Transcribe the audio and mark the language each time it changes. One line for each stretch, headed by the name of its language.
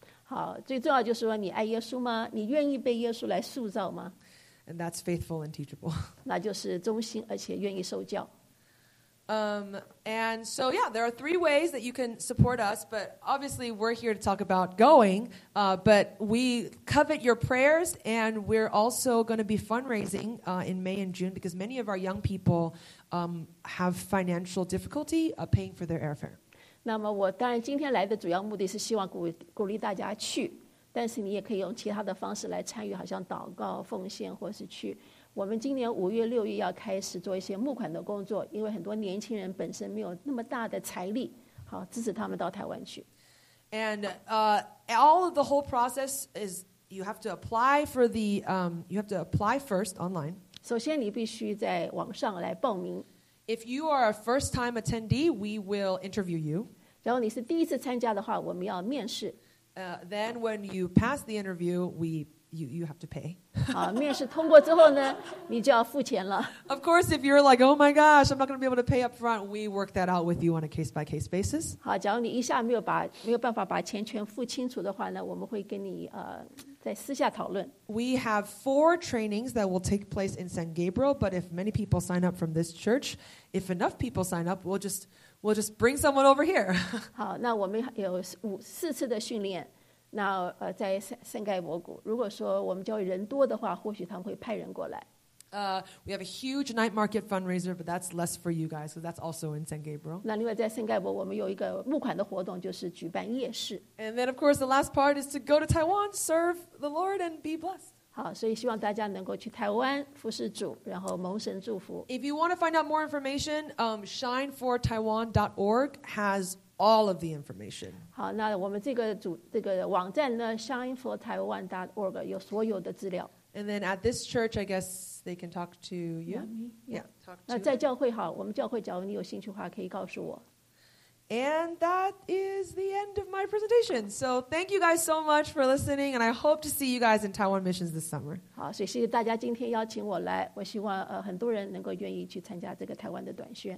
Chinese: 好，最重要就是说你爱耶稣吗？你愿意被耶稣来塑造吗
English: ？And that's faithful and teachable.
Chinese: 那就是忠心而且愿意受教。
English: And so yeah, there are three ways that you can support us, but obviously we're here to talk about going, but we covet your prayers and we're also going to be fundraising in May and June because many of our young people have financial difficulty paying for their airfare.
Chinese: 那么我当然今天来的主要目的是希望鼓励大家去，但是你也可以用其他的方式来参与，好像祷告奉献或是去。我们今年五月六月要开始做一些募款的工作，因为很多年轻人本身没有那么大的财力，好支持他们到台湾去。
English: And all of the whole process is you have to apply for the you have to apply first online.
Chinese: 首先你必须在网上来报名。
English: If you are a first time attendee, we will interview you.
Chinese: 然后你是第一次参加的话，我们要面试。
English: Then when you pass the interview, you have to pay.
Chinese: 好，面试通过之后呢，你就要付钱了。
English: Of course, if you're like, oh my gosh, I'm not going to be able to pay up front, we work that out with you on a case-by-case basis.
Chinese: 好，假如你一下没有办法把钱全付清楚的话呢，我们会跟你在私下讨论。
English: We have four trainings that will take place in San Gabriel, but if many people sign up from this church, if enough people sign up, we'll just bring someone over here.
Chinese: 好，那我们有四次的训练。那在圣盖博谷，如果说我们教会人多的话，或许他们会派人过来。
English: We have a huge night market fundraiser, but that's less for you guys, so that's also in San Gabriel.
Chinese: 那另外在圣盖博，我们有一个募款的活动，就是举办夜市。
English: And then, of course, the last part is to go to Taiwan, serve the Lord, and be blessed.
Chinese: 好，所以希望大家能够去台湾服侍主，然后蒙神祝福。
English: If you want to find out more information, shinefortaiwan.org has all of the information.
Chinese: 好，那我们这个网站呢 ，shinefortaiwan.org 有所有的资料。
English: And then at this church, I guess they can talk to you. Yeah, talk to.
Chinese: 那在教会好，我们教会，假如你有兴趣的话，可以告诉我。
English: And that is the end of my presentation. So thank you guys so much for listening, and I hope to see you guys in Taiwan Missions this summer.
Chinese: 好，所以谢谢大家今天邀请我来，我希望很多人能够愿意去参加这个台湾的短宣。